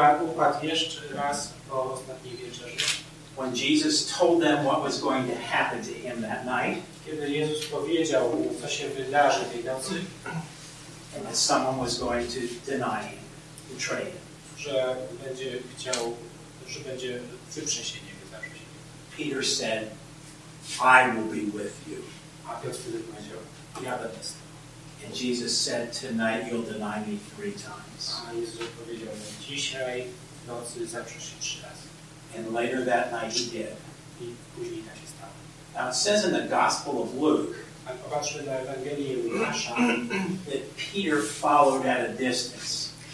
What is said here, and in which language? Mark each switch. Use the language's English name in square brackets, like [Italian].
[Polish] Upadł jeszcze raz po ostatniej wieczerzy. [English] When Jesus told them what was going to happen to him that night, [Polish] kiedy Jezus powiedział, co się wydarzy tej nocy, [English] and that someone was going to deny him, betray him, [Polish] że będzie chciał, że będzie wyprzesienie wydarzy się. [English] Peter said, I will be with you. [Polish] A Piotr wtedy powiedział, ja będę z tobą. [English] And Jesus said, tonight you'll deny me three times. [Polish] A Jezus powiedział, dzisiaj w nocy zaprzesz się trzy razy. [English] And later that night he did. [Polish] I później tak się stało. [English] Now it says in the Gospel of Luke, [Polish] a popatrzmy na Ewangelię Łukasza, [English] that Peter followed at a distance.